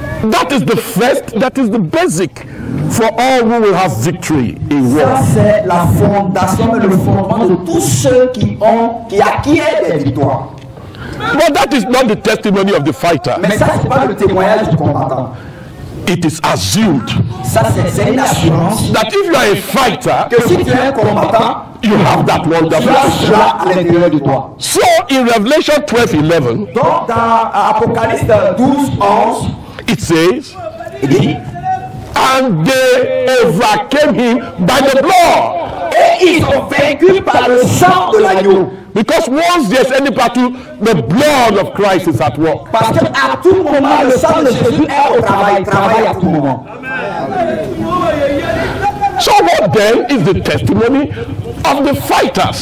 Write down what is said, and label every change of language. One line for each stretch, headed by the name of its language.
English: That is the first, that is the basic for all who will have victory in war.
French: Ça c'est la fondation et le fondement de tous ceux qui ont, qui acquièrent des victoires.
English: But that is not the testimony of the fighter.
French: Mais ça, c'est pas le témoignage du combattant.
English: It is assumed.
French: Ça, c'est une assurance.
English: That if you are a fighter,
French: que si tu es un combattant,
English: you have that wonderful.
French: Tu as cela à l'intérieur de toi.
English: So in Revelation 12:11,
French: donc dans Apocalypse 12:11,
English: it says, and they overcame him by the blood.
French: Et ils sont vaincus par le sang de l'agneau.
English: Because once there's any battle, the blood of Christ is at work.
French: Parce que à tout moment, le sang de Jésus est au travail, travaille à tout moment.
English: So what then is the testimony of the fighters?